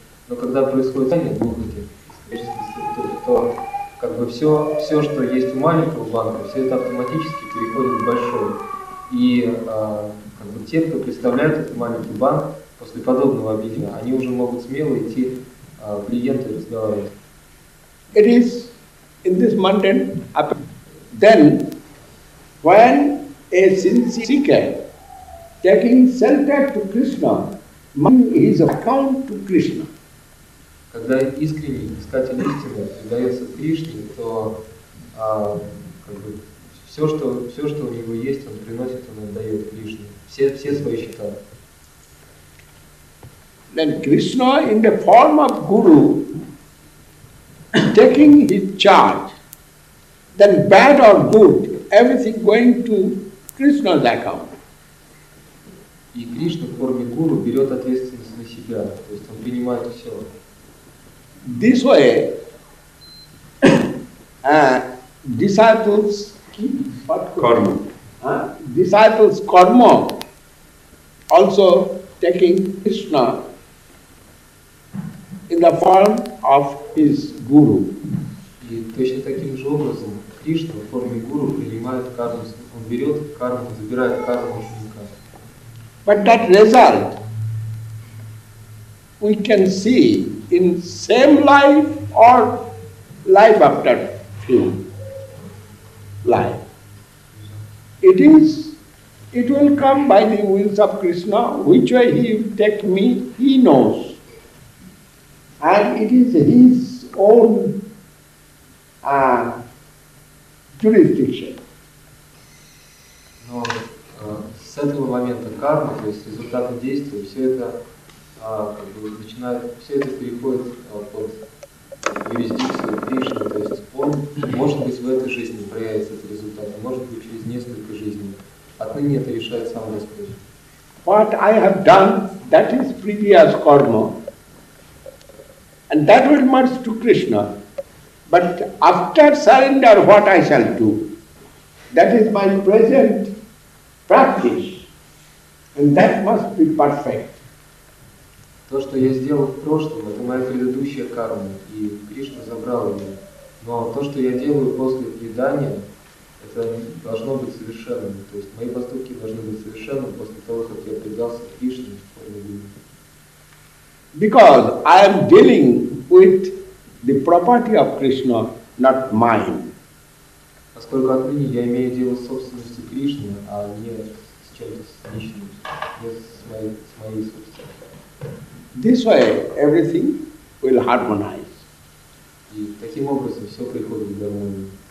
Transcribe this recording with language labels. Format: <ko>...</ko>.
<ru>Но когда происходит слияние двух этих, то как бы все, что есть у маленького банка, все это автоматически переходит в большой. И как бы те, кто представляет этот маленький банк, после подобного объединения, они уже могут смело идти к клиенту и разговаривать.</ru> <en>It is in this mountain. Then, when a sincere seeker taking shelter to Krishna, his account to Krishna.</en> <ru>Когда искренний искатель истины предается Кришне, то как бы, все, что у него есть, он приносит, он отдает Кришне. Все свои счета.</ru> <en>Then Krishna in the form of Guru taking his charge, then bad or good, everything going to Krishna's account.</en> <ru>И Кришна в форме Гуру берет ответственность на себя, то есть он принимает все.</ru> <en>This way, disciples keep what? Karma. Disciples karma also taking Krishna in the form of his guru.</en> <ru>И точно таким же образом Кришна в форме гуру принимает карму, он берет карму, забирает карму ученика.</ru> <en>But that result we can see in same life or life after few life. It will come by the wills of Krishna, which way he will take me, he knows. And it is his own jurisdiction.</en> <ru>Но с этого момента карма, то есть результаты действия, все это как бы начинает, все это переходит под юрисдикцию Кришны. То есть он, может быть, в этой жизни проявится этот результат, а может быть, через несколько жизней. Отныне это решает сам Господь.</ru> <en>What I have done, that is previous karma. And that will merge to Krishna. But after surrender, what I shall do? That is my present practice. And that must be perfect.</en> <ru>То, что я сделал в прошлом, это моя предыдущая карма, и Кришна забрал ее. Но то, что я делаю после предания, это должно быть совершенным. То есть мои поступки должны быть совершенны после того, как я предался Кришне в форме любви.</ru> <en>Because I am dealing with the property of Krishna, not mine.</en> <ru>Поскольку отныне я имею дело с собственностью Кришны, а не с чем-то личным, не с моей собственностью.</ru> <en>This way everything will harmonize.</en> <ru>И таким образом все приходит в гармонию.</ru>